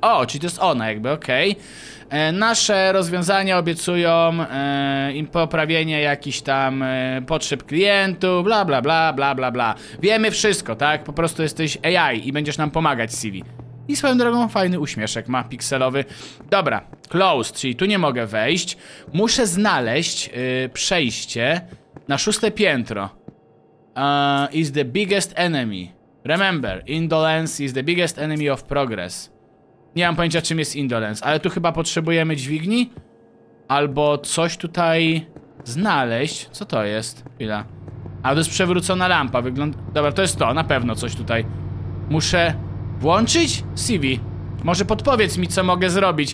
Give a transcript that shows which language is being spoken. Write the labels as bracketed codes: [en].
[pl] O, czyli to jest ona jakby, okej. Nasze rozwiązania obiecują im poprawienie jakichś tam potrzeb klientów, bla, bla, bla, bla, bla, bla. Wiemy wszystko, tak? Po prostu jesteś AI i będziesz nam pomagać, Siwi. I swoją drogą fajny uśmieszek ma, pikselowy. Dobra, closed, czyli tu nie mogę wejść. Muszę znaleźć przejście na szóste piętro. [en] Is the biggest enemy. Remember, indolence is the biggest enemy of progress. [pl] Nie mam pojęcia, czym jest indolence, ale tu chyba potrzebujemy dźwigni? Albo coś tutaj znaleźć? Co to jest? Chwila. A to jest przewrócona lampa, wygląda... Dobra, to jest to, na pewno coś tutaj. Muszę włączyć? Siwi, może podpowiedz mi, co mogę zrobić.